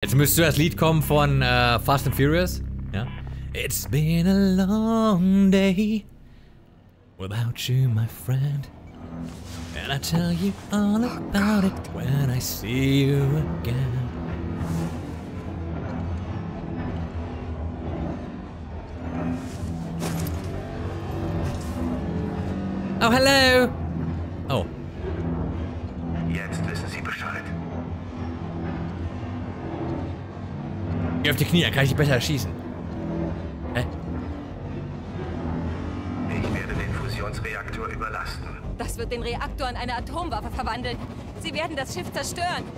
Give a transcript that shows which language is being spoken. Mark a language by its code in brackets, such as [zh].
[de] Jetzt müsste das Lied kommen von Fast and Furious. Ja. [en] It's been a long day without you, my friend. And I tell you all about it when I see you again. Oh, hello! Oh. [de] Jetzt wissen Sie Bescheid. Geh auf die Knie, dann kann ich dich besser erschießen. Hä? Ich werde den Fusionsreaktor überlasten. Das wird den Reaktor in eine Atomwaffe verwandeln. Sie werden das Schiff zerstören.